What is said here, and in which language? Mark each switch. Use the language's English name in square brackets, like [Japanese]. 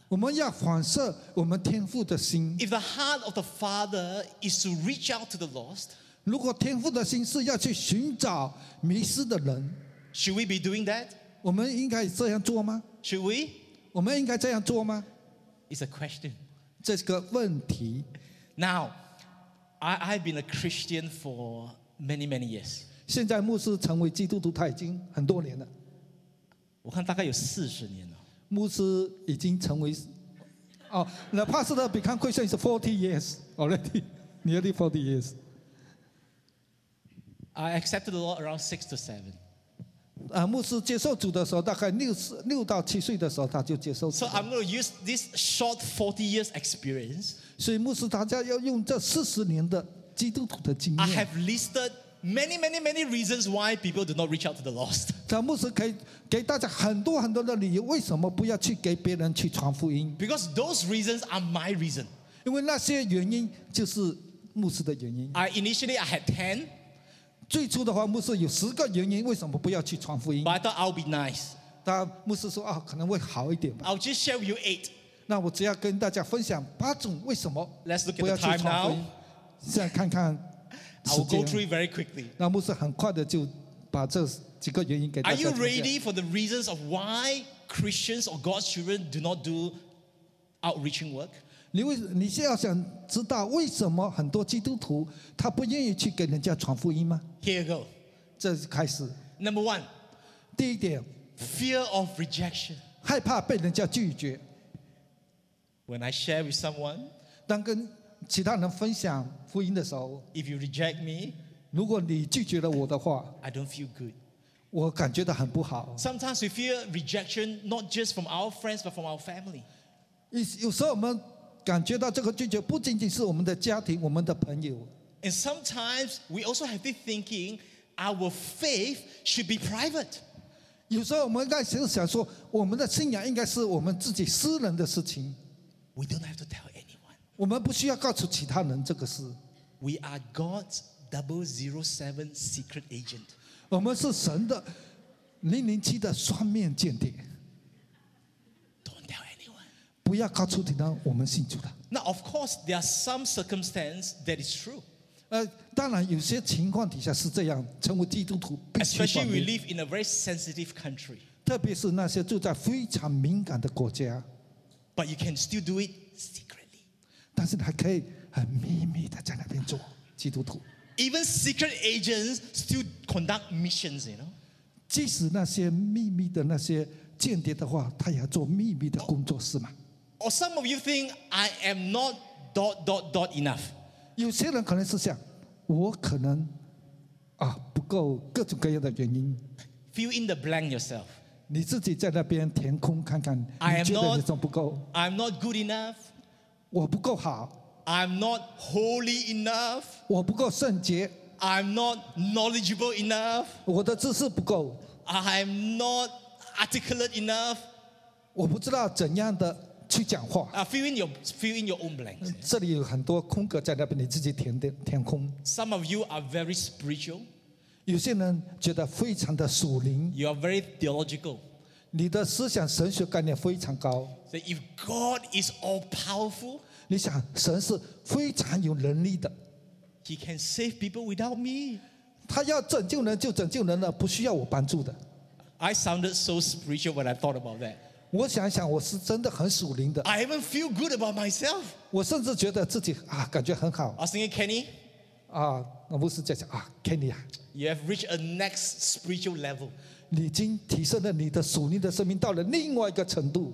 [Chinese] 我们要反射我们天父的心。 [English] If the heart of the father is to reach out to the lost. [Chinese] 如果天父的心是要去寻找迷失的人 [English] ，Should we be doing that？ [Chinese] 我们应该这样做吗 [English] ？Should we？ [Chinese] 我们应该这样做吗 [English] ？It's a question。 [Chinese] 这个问题。 [English] Now, I've been a Christian for many many years。 [Chinese] 现在牧师成为基督徒，他已经很多年了。我看大概有四十年了。牧师已经成为，哦，那 [English] Pastor become Christian is 40 years already, nearly 40 years。 I accepted the Lord around 6 to 7. [Chinese] 牧师接受主的时候，大概六到七岁的时候，他就接受。 [English] So I'm going to use this short 40 years experience. [Chinese] 所以牧师大家要用这四十年的基督徒的经验。 [English] I have listed many, many, many reasons why people do not reach out to the lost. [Chinese] 牧师可以给大家很多很多的理由，为什么不要去给别人去传福音 [English] ？Because those reasons are my reason. [Chinese] 因为那些原因就是牧师的原因。 [English] I initially had 10. [Chinese] 最初的话，牧师有十个原因，为什么不要去传福音 [English] ？But I thought I'll be nice. [Chinese] 但牧师说啊，可能会好一点吧。 [English] I'll just share with you 8. [Chinese] 那我只要跟大家分享八种为什么 [English] Let's look at the time now. [Chinese] 现在看看时间。 [English] I'll go through it very quickly. [Chinese] 那牧师很快的就把这几个原因给大家。 [English] Are you ready for the reasons of why Christians or God's children do not do outreaching work? [Chinese] 你是要想知道为什么很多基督徒他不愿意去给人家传福音吗？ [English] Here you go. [Chinese] 这是开始。 [English] Number one. [Chinese] 第一点。 [English] Fear of rejection. [Chinese] 害怕被人家拒绝。 [English] When I share with someone. [Chinese] 当跟其他人分享福音的时候 [English] ，If you reject me， [Chinese] 如果你拒绝了我的话 [English] ，I don't feel good， [Chinese] 我感觉到很不好。 [English] Sometimes we feel rejection not just from our friends but from our family。 [Chinese] 有时候我们感觉到这个拒绝不仅仅是我们的家庭、我们的朋友。 [English] And sometimes we also have this thinking our faith should be private。 [Chinese] 有时候我们在想说，我们的信仰应该是我们自己私人的事情。 [English] We don't have to tell anyone。 [Chinese] 我们不需要告诉其他人这个事。 [English] We are God's 007 secret agent。 [Chinese] 我们是神的007的双面间谍。 [English] Don't tell anyone。 [Chinese] 不要告诉其他我们信主的。 [English] Now of course there are some circumstances that is true。 [Chinese] 当然有些情况底下是这样，成为基督徒必须双面。 [English] Especially we live in a very sensitive country。 [Chinese] 特别是那些住在非常敏感的国家。 [English] But you can still do it secret。 [Chinese] 但是你还可以很秘密的在那边做基督徒。 [English] Even secret agents still conduct missions, you know. [Chinese] 即使那些秘密的那些间谍的话，他也要做秘密的工作室嘛。 [English] Or some of you think I am not dot dot dot enough. [Chinese] 有些人可能是想，我可能啊不够各种各样的原因。 [English] Fill in the blank yourself. [Chinese] 你自己在那边填空看看，你觉得你总不够。 [English] I'm not good enough. [Chinese] 我不够好。 [English] I'm not holy enough. [Chinese] 我不够圣洁。 [English] I'm not knowledgeable enough. [Chinese] 我的知识不够。 [English] I'm not articulate enough. [Chinese] 我不知道怎样的去讲话。 [English] Fill in your own blanks. [Chinese] 这里有很多空格在那边，你自己填空。 [English] Some of you are very spiritual. [Chinese] 有些人觉得非常的属灵。 [English] You are very theological. [Chinese] 你的思想神学概念非常高。 [English] So if God is all powerful, [Chinese] 你想神是非常有能力的。 [English] He can save people without me. [Chinese] 他要拯救人就拯救人了，不需要我帮助的。 [English] I sounded so spiritual when I thought about that. [Chinese] 我想想，我是真的很属灵的。 [English] I even feel good about myself. [Chinese] 我甚至觉得自己啊，感觉很好。 [English] I was thinking, Kenny. [Chinese] 啊，那牧师在讲啊 ，Kenny 啊。 [English] You have reached a next spiritual level. [Chinese] 你已经提升了你的属灵的生命到了另外一个程度。